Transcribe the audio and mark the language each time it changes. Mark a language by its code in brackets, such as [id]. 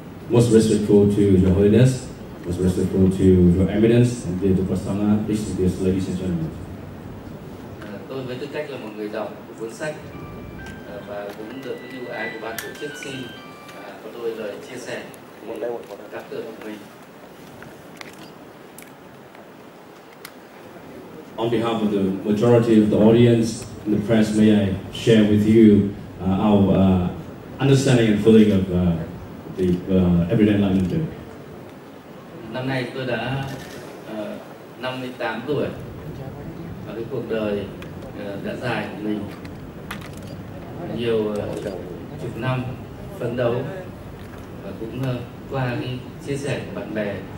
[en] Most respectful to Your Holiness, most respectful to Your Eminence, and dear Vipassana, this is dear ladies and gentlemen. [vi] Tôi với tư cách là một người đọc của cuốn sách và cũng được cái ưu ái của ban tổ chức xin có đôi lời chia sẻ một lễ một cảm tưởng của mình. [en] On behalf of the majority of the audience and the press, may I share with you our understanding and feeling of the everyday enlightenment day. [vi] Năm nay tôi đã 58 tuổi và cái cuộc đời đã dài của mình nhiều chục năm phấn đấu và cũng qua cái chia sẻ của bạn bè